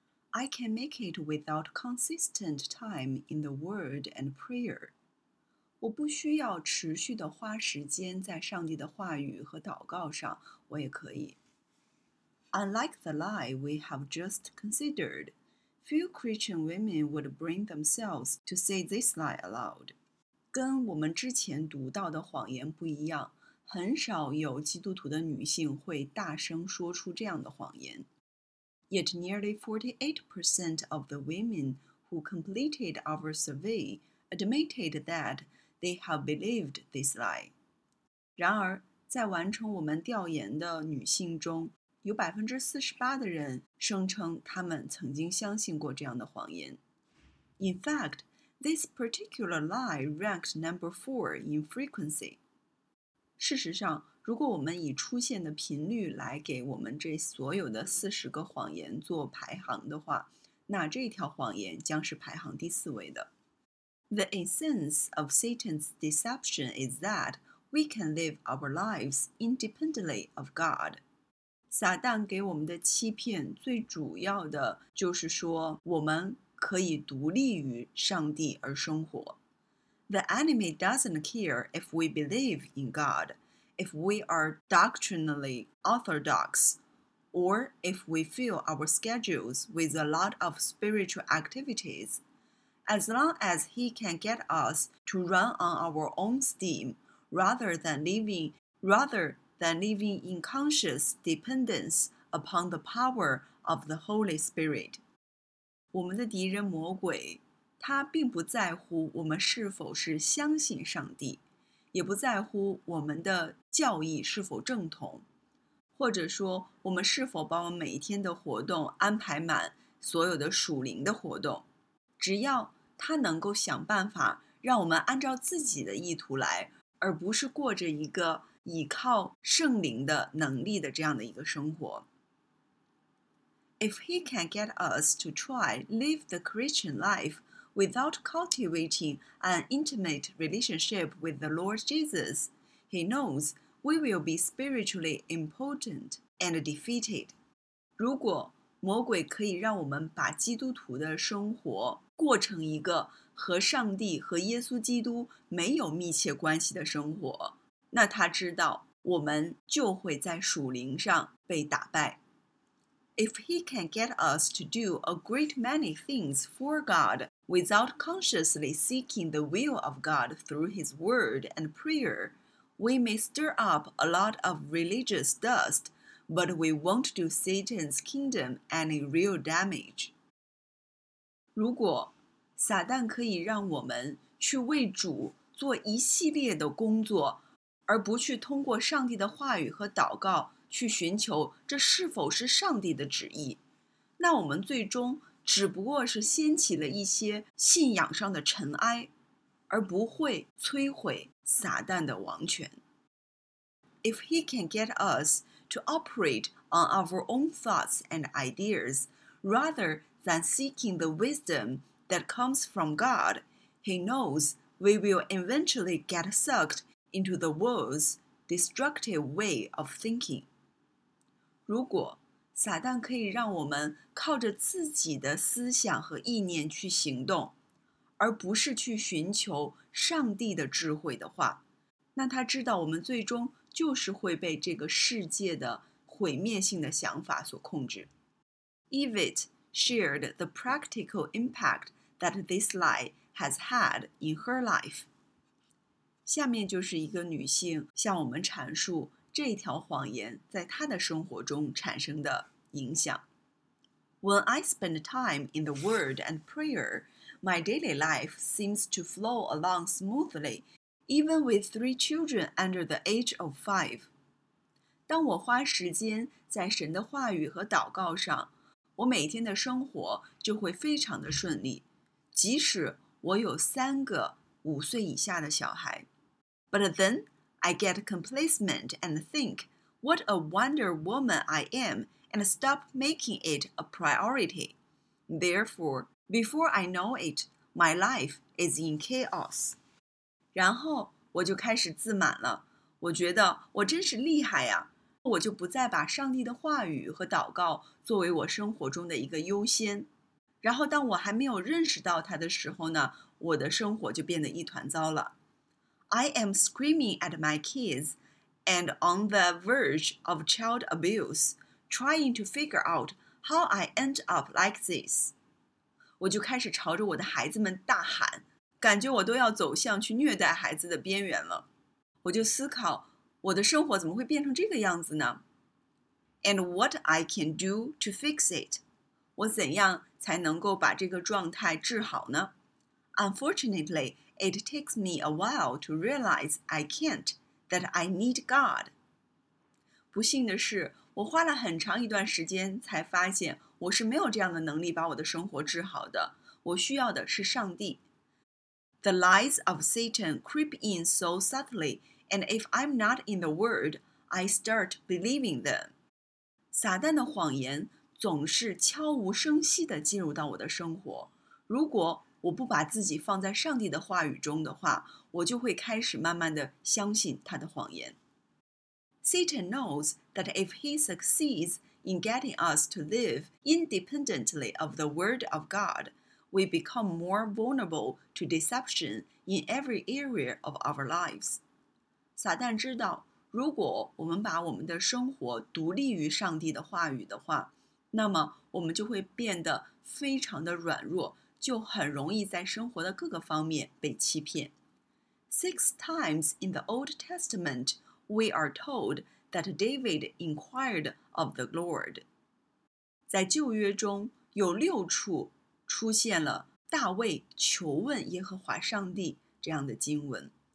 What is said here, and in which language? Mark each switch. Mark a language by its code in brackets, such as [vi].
[en] I can make it without consistent time in the word and prayer. [zh] 我不需要持续地花时间在上帝的话语和祷告上，我也可以。 [en] Unlike the lie we have just considered, few Christian women would bring themselves to say this lie aloud. [zh] 跟我们之前读到的谎言不一样，很少有基督徒的女性会大声说出这样的谎言。 [en] Yet nearly 48% of the women who completed our survey admitted that they have believed this lie. [zh] 然而，在完成我们调研的女性中，有 48% 的人声称她们曾经相信过这样的谎言。 [en] In fact, this particular lie ranked number 4 in frequency. [zh] 事实上，如果我们以出现的频率来给我们这所有的40个谎言做排行的话，那这条谎言将是排行第四位的。 [en] The essence of Satan's deception is that we can live our lives independently of God. [zh] 撒旦给我们的欺骗最主要的就是说我们可以独立于上帝而生活。 [en] The enemy doesn't care if we believe in God, if we are doctrinally orthodox, or if we fill our schedules with a lot of spiritual activities. As long as he can get us to run on our own steam, rather than living in conscious dependence upon the power of the Holy Spirit. [zh] 我们的敌人魔鬼他并不在乎我们是否是相信上帝，也不在乎我们的教义是否正统，或者说我们是否把我们每一天的活动安排满所有的属灵的活动。只要他能够想办法让我们按照自己的意图来，而不是过着一个依靠圣灵的能力的这样的一个生活。 [en] If he can get us to try live the Christian life,Without cultivating an intimate relationship with the Lord Jesus, he knows we will be spiritually impotent and defeated. [zh] 如果魔鬼可以让我们把基督徒的生活过成一个和上帝和耶稣基督没有密切关系的生活，那他知道我们就会在属灵上被打败。 [en] If he can get us to do a great many things for God,Without consciously seeking the will of God through His word and prayer, we may stir up a lot of religious dust, but we won't do Satan's kingdom any real damage. [zh] 如果撒旦可以让我们去为主做一系列的工作，而不去通过上帝的话语和祷告去寻求这是否是上帝的旨意，那我们最终只不过是掀起了一些信仰上的尘埃，而不会摧毁撒旦的王权。 [en] If he can get us to operate on our own thoughts and ideas, rather than seeking the wisdom that comes from God, he knows we will eventually get sucked into the world's destructive way of thinking. [zh] 如果撒旦可以让我们靠着自己的思想和意念去行动，而不是去寻求上帝的智慧的话，那他知道我们最终就是会被这个世界的毁灭性的想法所控制。 [en] Evitt shared the practical impact that this lie has had in her life. [zh] 下面就是一个女性向我们阐述这条谎言在他的生活中产生的影响。 [en] When I spend time in the word and prayer, my daily life seems to flow along smoothly, even with 3 children under the age of 5. [zh] 当我花时间在神的话语和祷告上，我每天的生活就会非常的顺利，即使我有三个五岁以下的小孩。 [en] But then,I get complacent and think, what a wonder woman I am, and stop making it a priority. Therefore, before I know it, my life is in chaos. [zh] 然后我就开始自满了，我觉得我真是厉害呀，我就不再把上帝的话语和祷告作为我生活中的一个优先。然后当我还没有认识到他的时候呢，我的生活就变得一团糟了。 [en] I am screaming at my kids and on the verge of child abuse, trying to figure out how I end up like this. [zh] 我就开始朝着我的孩子们大喊，感觉我都要走向去虐待孩子的边缘了。我就思考我的生活怎么会变成这个样子呢？ [en] And what I can do to fix it? [zh] 我怎样才能够把这个状态治好呢？ [en] Unfortunately, it takes me a while to realize I can't, that I need God. [zh] 不幸的是，我花了很长一段时间才发现我是没有这样的能力把我的生活治好的，我需要的是上帝。 [en] The lies of Satan creep in so subtly,And if I'm not in the Word, I start believing them. [zh] 撒旦的谎言总是悄无声息地进入到我的生活。如果我不把自己放在上帝的话语中的话，我就会开始慢慢地相信他的谎言。 [en] Satan knows that if he succeeds in getting us to live independently of the Word of God, we become more vulnerable to deception in every area of our lives. [zh] 撒旦知道，如果我们把我们的生活独立于上帝的话语的话，那么我们就会变得非常的软弱，就很容易在生活的各个方面被欺骗。 [en] Six times in the Old Testament, we are told that David inquired of the Lord. [zh] 在旧约中，有六处出现了大卫求问耶和华上帝这样的经文。